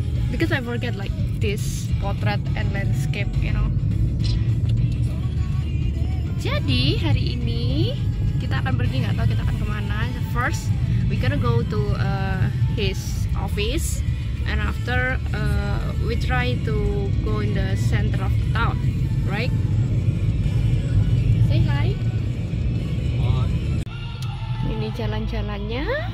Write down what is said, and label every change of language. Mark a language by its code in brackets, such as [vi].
[en] because I forget like this portrait and landscape, you know. [id] Jadi hari ini kita akan pergi, nggak tahu kita akan kemana. [en] First we gonna go to his office, and after we try to go in the center of the town, right? Say hi. [id] Ini jalan-jalannya.